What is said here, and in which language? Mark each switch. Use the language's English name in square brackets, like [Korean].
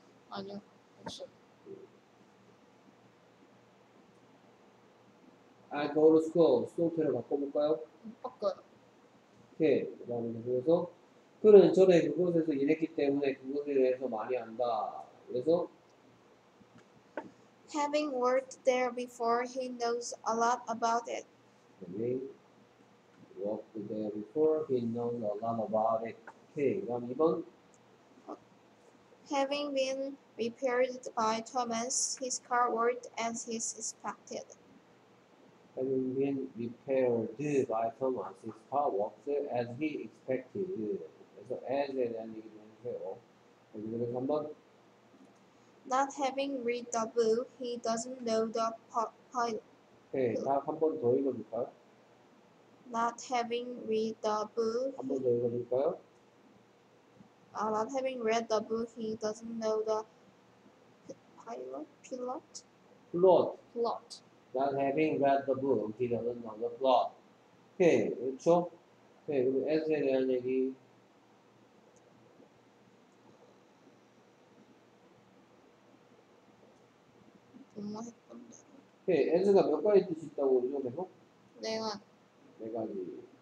[Korean] 아니요. 없어. [English] I go to school. [Korean] 수동태를 바꿔볼까요? 바꿔요. 오케이. 그다음에 그래서 그는 전에 그곳에서 일했기 때문에 그곳에 대해서 많이 안다. 그래서 [English] Having worked there before, he knows a lot about it. Having worked there before, he knows a lot about it. [Korean] 오케이. 그럼 2번 [English] Having been repaired by Thomas, his car worked as he expected. Having been repaired by Thomas, his car worked as he expected. [Korean] 그래서 as에 대한 얘기를 해요. 그래서 한번 [English] Not having read the book, he doesn't know the pilot. [Korean] 네, 다 한번 더 읽어줄까요? [English] Not having read the book. [Korean] 한번 더 읽어줄까요? [English] Not having read the book, he doesn't know the pilot. Plot. Not having read the book, he doesn't know the plot. [Korean] 오케이, 그렇죠? 오케이, 그럼 as에 대한 얘기. 엄마 했던 대로. 오케이, as가 몇 가지 뜻이 있다고 이 정도 해요? 네 가지. 네 가지.